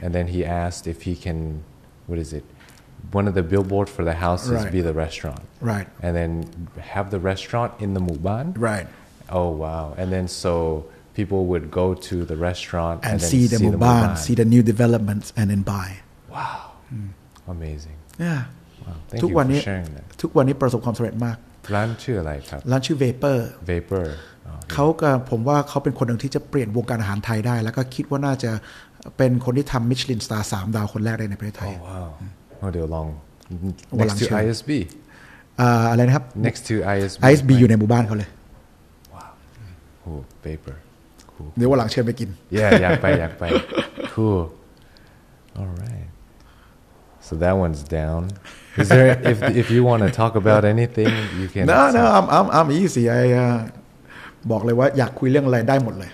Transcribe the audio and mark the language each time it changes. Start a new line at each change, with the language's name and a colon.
English: And then he asked if he can, what is it? One of the billboard for the houses right. be the restaurant, right? And then have the restaurant in the muban, right? Oh wow! And then so people would go to the restaurant and then see the muban, see the new developments, and then buy. Wow! Mm. Amazing. Yeah. Wow. Thank you for sharing that.
Thai: ทุกวันนี้ประสบความสำเร็จมาก ร้านชื่ออะไรครับ ร้านชื่อ Vapor. Vapor. เขาก็ผมว่าเขาเป็นคนหนึ่งที่จะเปลี่ยนวงการอาหารไทยได้แล้วก็คิดว่าน่าจะเป็นคนที่ทำมิชลินสตาร์3ดาวคนแรกได้ในประเทศไทย โอ้เดี๋ยวลอง
English: next to ISB
Thai: อะไรนะครับ
English: next to ISB
Thai: ISB อยู่ในหมู่บ้านเขาเลย ว้าวโอ้ paper cool เดี๋ยววันหลังเชิญไปกิน อยากไป
English: cool all right so that one's downis there if you want to talk about anything you can no I'm easy I
Thai: บอกเลยว่าอยากคุยเรื่องอะไรได้หมดเลย